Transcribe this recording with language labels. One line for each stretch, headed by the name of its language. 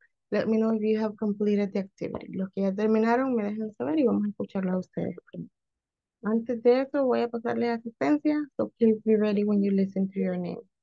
English: Let me know if you have completed the activity.
Spanish: Los que ya terminaron, me dejan saber y vamos a escucharlo a ustedes primero. Antes de eso, voy a pasarle asistencia.
English: So please be ready when you listen to your name.